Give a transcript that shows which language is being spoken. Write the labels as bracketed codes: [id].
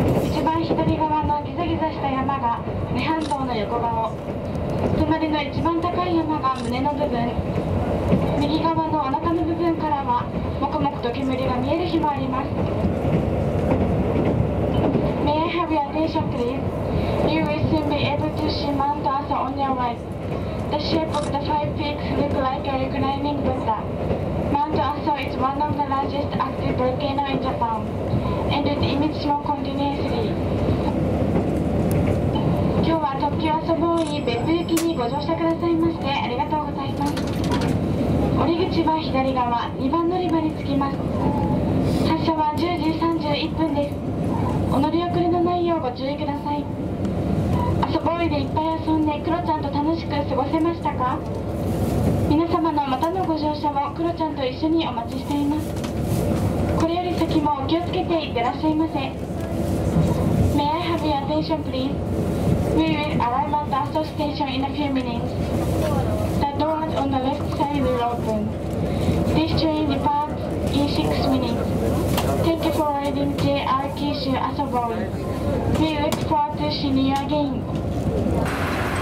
[ja] 一番左側のギザギザした山が涅槃像の横顔、隣の一番高い山が胸の部分、右側のお腹の部分からはもくもくと煙が見える日もあります。 [en] May I have your attention please? You will soon be able to see Mount Asa on your right. The shape of the five peaks look like a reclining Buddha. Mount Asa is one of the largest active volcano in Japan and it emits smoke continuously. [ja] 阿蘇ボーイ別府行きにご乗車くださいましてありがとうございます。降り口は左側2番乗り場に着きます。発車は10時31分です。お乗り遅れのないようご注意ください。阿蘇ボーイでいっぱい遊んでクロちゃんと楽しく過ごせましたか？皆様のまたのご乗車もクロちゃんと一緒にお待ちしています。これより先もお気をつけていってらっしゃいませ。 [en] May I have your attention pleaseWe will arrive at the Aso station in a few minutes. The doors on the left side will open. This train departs in 6 minutes. Thank you for riding JR Kishu Aso Boy. We look forward to seeing you again.